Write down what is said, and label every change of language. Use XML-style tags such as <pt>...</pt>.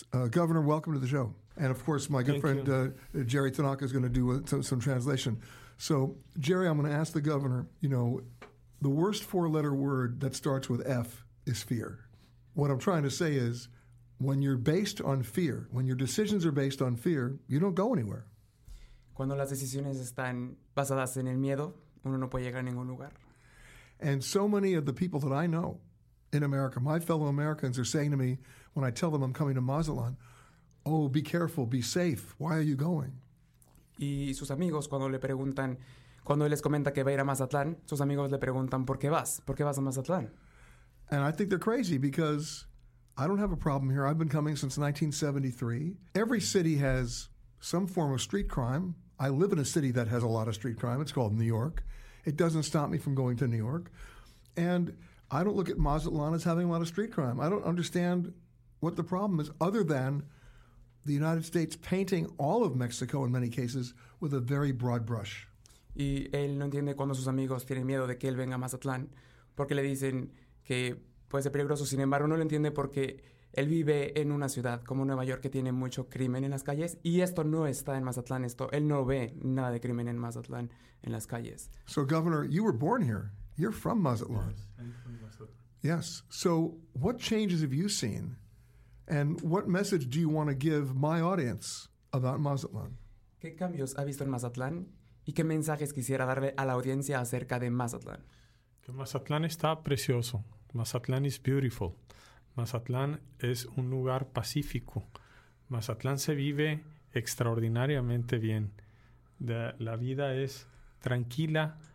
<en>Governor, welcome to the show. And, of course, my good friend Jerry Tanaka is going to do some translation. So, Jerry, I'm going to ask the governor, you know, the worst four-letter word that starts with F is fear. What I'm trying to say is when you're based on fear, when your decisions are based on fear, you don't go anywhere.</en> <es>Cuando las decisiones están basadas en el miedo, uno no puede llegar a ningún lugar.</es> <en>And so many of the people that I know in America, my fellow Americans are saying to me when I tell them I'm coming to Mazatlan, oh, be careful, be safe, why are you going?</en> <es>Y sus amigos cuando le preguntan, cuando él les comenta que va a ir a Mazatlan, sus amigos le preguntan, ¿por qué vas? ¿Por qué vas a Mazatlan?</es> <en>And I think they're crazy because I don't have a problem here. I've been coming since 1973. Every city has some form of street crime. I live in a city that has a lot of street crime. It's called New York. It doesn't stop me from going to New York. And I don't look at Mazatlan as having a lot of street crime. I don't understand what the problem is other than the United States painting all of Mexico, in many cases, with a very broad brush.</en> <es>Y él no entiende cuando sus amigos tienen miedo de que él venga a Mazatlan porque le dicen que puede ser peligroso. Sin embargo, no lo entiende porque él vive en una ciudad como Nueva York que tiene mucho crimen en las calles y esto no está en Mazatlan. Esto, él no ve nada de crimen en Mazatlan en las calles.</es> <en>So, Governor, you were born here. You're from Mazatlan. Yes, I'm from Mazatlan. Yes. So what changes have you seen? And what message do you want to give my audience about Mazatlan?</en> <es>¿Qué cambios ha visto en Mazatlan? ¿Y qué mensajes quisiera darle a la audiencia acerca de Mazatlan? Que Mazatlan está precioso.</es> <en>Mazatlan is beautiful.</en> <es>Mazatlan es un lugar pacífico. Mazatlan se vive extraordinariamente bien. La vida es tranquila.</es>